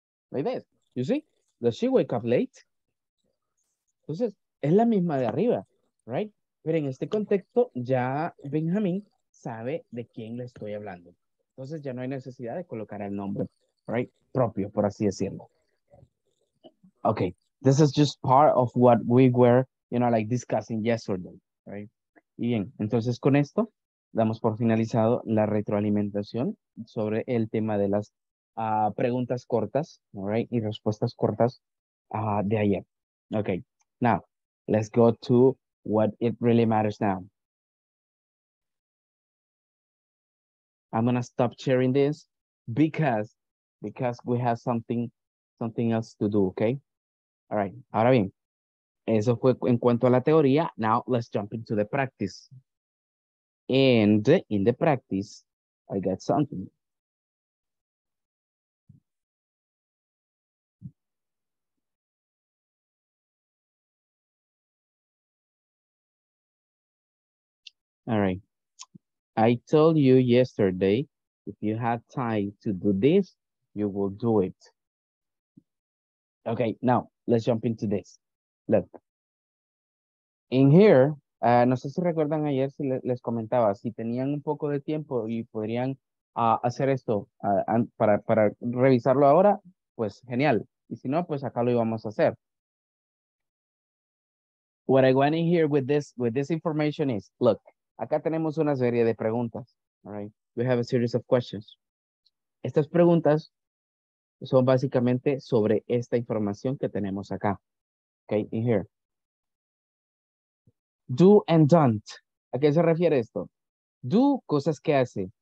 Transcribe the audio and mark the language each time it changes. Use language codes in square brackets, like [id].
[en] Like this, you see? Does she wake up late? [es] Entonces, es la misma de arriba, [en] right? [es] Pero en este contexto, ya Benjamín sabe de quién le estoy hablando. Entonces ya no hay necesidad de colocar el nombre, [en] right? [es] Propio, por así decirlo. [en] Okay, this is just part of what we were, you know, like discussing yesterday, right? [es] Y bien, entonces con esto damos por finalizado la retroalimentación sobre el tema de las preguntas cortas, [en] right? [es] Y respuestas cortas De ayer. Okay. [en] Now, let's go to what it really matters now. I'm gonna stop sharing this because we have something else to do, okay? All right, [es] ahora bien, eso fue en cuanto a la teoría. [en] Now, let's jump into the practice. And in the practice, I got something. All right. I told you yesterday, if you have time to do this, you will do it. Okay, now let's jump into this. Look. In here, [es] no sé si recuerdan ayer si les comentaba, si tenían un poco de tiempo y podrían hacer esto para revisarlo ahora, pues genial. Y si no, pues acá lo íbamos a hacer. [en] What I want in here with this information is, look. [es] Acá tenemos una serie de preguntas. [en] All right. We have a series of questions. [es] Estas preguntas son básicamente sobre esta información que tenemos acá. [en] Okay, in here. Do and don't. [es] ¿A qué se refiere esto? Do, cosas que hace.